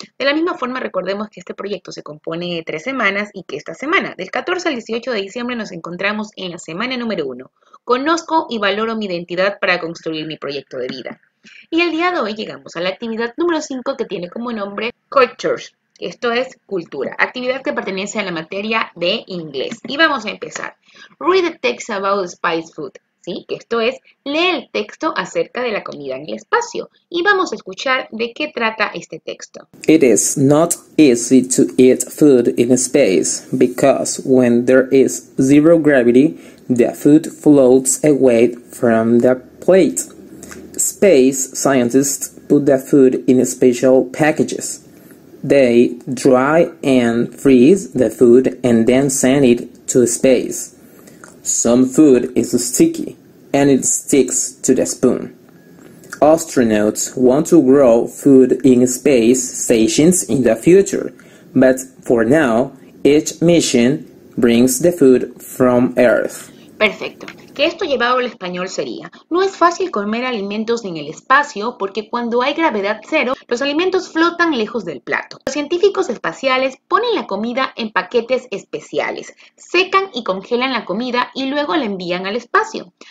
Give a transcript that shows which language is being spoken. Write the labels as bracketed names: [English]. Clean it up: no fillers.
[Spanish] De la misma forma, recordemos que este proyecto se compone de 3 semanas y que esta semana, del 14 al 18 de diciembre, nos encontramos en la semana número 1. Conozco y valoro mi identidad para construir mi proyecto de vida. Y el día de hoy llegamos a la actividad número 5 que tiene como nombre Cultures. Esto es cultura, actividad que pertenece a la materia de inglés. Y vamos a empezar. [English] Read the text about spice food. [Spanish] ¿Sí? Esto es, lee el texto acerca de la comida en el espacio. Y vamos a escuchar de qué trata este texto. [English] It is not easy to eat food in space because when there is zero gravity, the food floats away from the plate. Space scientists put the food in special packages. They dry and freeze the food and then send it to space. Some food is sticky and it sticks to the spoon. Astronauts want to grow food in space stations in the future, but for now, each mission brings the food from Earth. [Spanish] Perfecto. Que esto llevado al español sería, no es fácil comer alimentos en el espacio porque cuando hay gravedad cero, los alimentos flotan lejos del plato. Los científicos espaciales ponen la comida en paquetes especiales, secan y congelan la comida y luego la envían al espacio.